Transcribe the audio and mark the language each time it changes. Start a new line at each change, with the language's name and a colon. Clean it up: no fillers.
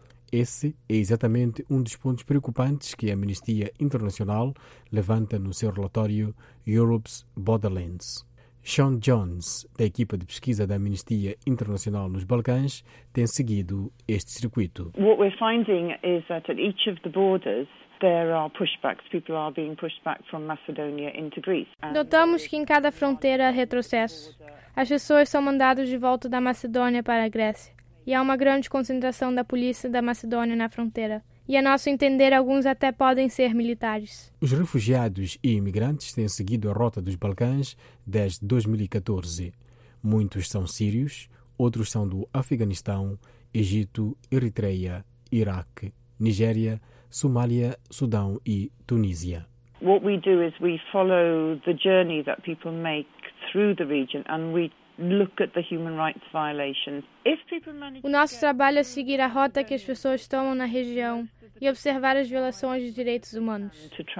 Portuguese: Esse é exatamente um dos pontos preocupantes que a Amnistia Internacional levanta no seu relatório Europe's Borderlands. Sean Jones, da equipa de pesquisa da Amnistia Internacional nos Balcãs, tem seguido este circuito.
English: What we're finding is that at each of the borders there are pushbacks. People are being pushed back from Macedonia into Greece.
Portuguese: Notamos que em cada fronteira há retrocessos. As pessoas são mandadas de volta da Macedônia para a Grécia. E há uma grande concentração da polícia da Macedônia na fronteira. E a nosso entender, alguns até podem ser militares. Os refugiados e imigrantes têm seguido a rota dos Balcãs desde 2014. Muitos são sírios, outros são do Afeganistão, Egito, Eritreia, Iraque, Nigéria, Somália, Sudão e Tunísia.
English: What we do is we follow the journey that people make through the region and we look at the human rights violations. If people manage,
Portuguese: o nosso trabalho é seguir a rota que as pessoas tomam na região e observar as violações de direitos humanos.